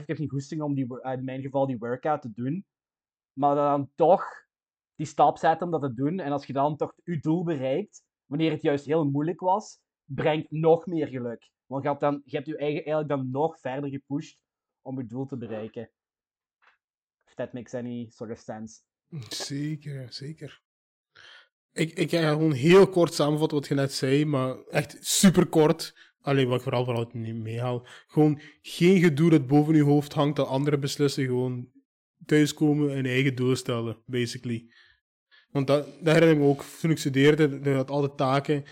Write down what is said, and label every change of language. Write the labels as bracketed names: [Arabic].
[Dutch] Ik heb geen goesting om in mijn geval die workout te doen. Maar dan toch die stap zetten om dat te doen. En als je dan toch je doel bereikt, wanneer het juist heel moeilijk was, brengt nog meer geluk. Want je hebt je eigen eigenlijk dan nog verder gepusht om je doel te bereiken. [English] That makes any sort of sense. [Dutch] Zeker, zeker. Ik ga gewoon heel kort samenvatten wat je net zei, maar echt super kort. Allee, wat ik vooral niet meehaal. Gewoon geen gedoe dat boven je hoofd hangt, dat anderen beslissen. Gewoon thuiskomen en eigen doel stellen, basically. Want dat herinner ik me ook, toen ik studeerde, je had altijd taken.